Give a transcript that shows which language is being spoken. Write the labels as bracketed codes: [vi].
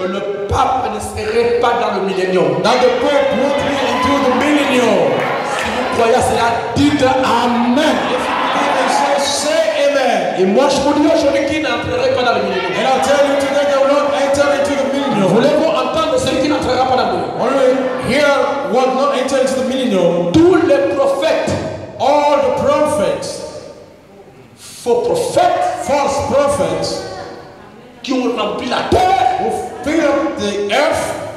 [fr] Que le pape ne serait pas dans le millénium. [en] That the pope won't be into the millennium. [fr] Si vous croyez cela, dites amen. [en] Say amen. [fr] Et moi je vous dis aujourd'hui qu'il n'entrerait pas dans le millénium. [en] And I'll tell you today that will not enter into the millennium. [fr] Voulez-vous entendre celui qui n'entrera pas dans le [en] millénium? Here will not enter into the millennium. [fr] Tous les prophètes, [en] all the prophets, [fr] faux prophètes, [en] false prophets, [fr] qui ont rempli la terre, [en] who filled the earth,